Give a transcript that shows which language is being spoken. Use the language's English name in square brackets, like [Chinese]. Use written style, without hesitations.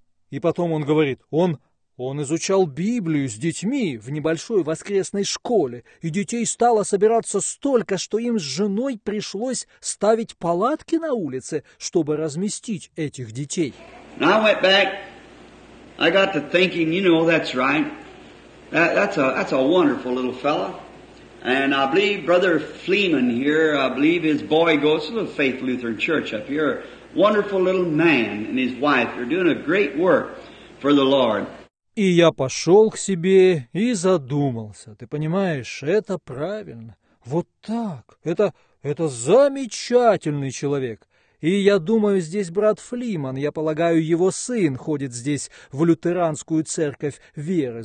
[Russian] И потом он говорит, он изучал Библию с детьми в небольшой воскресной школе, и детей стало собираться столько, что им с женой пришлось ставить палатки на улице, чтобы разместить этих детей. [English] And I went back, I got to thinking, you know, that's right. That's a wonderful little fella. And I believe Brother Fleeman here, I believe his boy goes to the Faith Lutheran Church up here. Wonderful little man and his wife, they're doing a great work for the Lord. [Russian] И я пошел к себе и задумался. Ты понимаешь, это правильно. Вот так. Это замечательный человек. И я думаю, здесь брат Флиман, я полагаю, его сын ходит здесь в лютеранскую церковь веры.